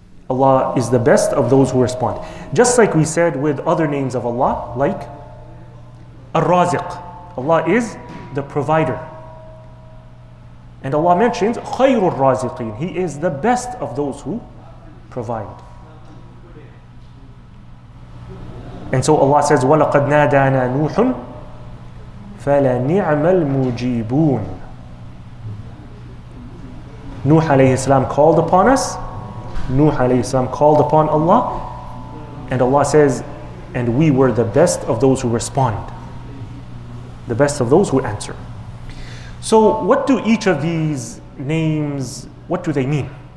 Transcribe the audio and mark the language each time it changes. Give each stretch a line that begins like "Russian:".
English: Allah is the best of those who respond. Just like we said with other names of Allah, like Ar-Raziq. Allah is the provider. And Allah mentions
Arabic: خَيْرُ الرَّازِقِينَ.
English: He is the best of those who provide. And so Allah says
Arabic: وَلَقَدْ نَادَانَا نُوحٌ فَلَنِعْمَ الْمُجِيبُونَ.
English: Nuh alayhi salam called upon us. Nuh alayhi salam called upon Allah, and Allah says, and we were the best of those who respond, the best of those who answer. So what do each of these names, what do they mean?